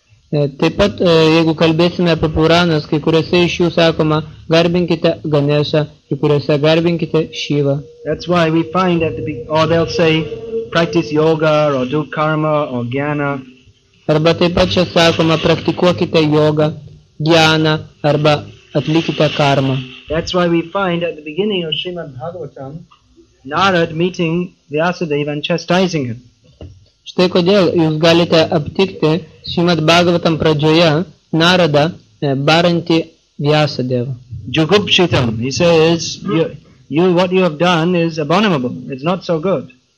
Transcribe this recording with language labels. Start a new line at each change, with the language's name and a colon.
Lithuanian: Taip pat, jeigu kalbėsime apie Puranas, kai kuriuose iš jų sakoma, garbinkite Ganesha, kai kuriuose garbinkite Shiva.
English: That's why we find that or they'll say, practice yoga, or do karma, or jnana.
Lithuanian: Arba taip pat čia sakoma, praktikuokite jogą, jnana, arba atlikite karmą.
English: That's why we find at the beginning of Srimad Bhagavatam, Narad meeting Vyasadeva and chastising him.
Lithuanian: Štai kodėl jūs galite aptikti Srimad Bhagavatam pradžioje Narada barantį Vyasadevą.
English: Jugupshitam, he says, what you have done is abominable, it's not so good.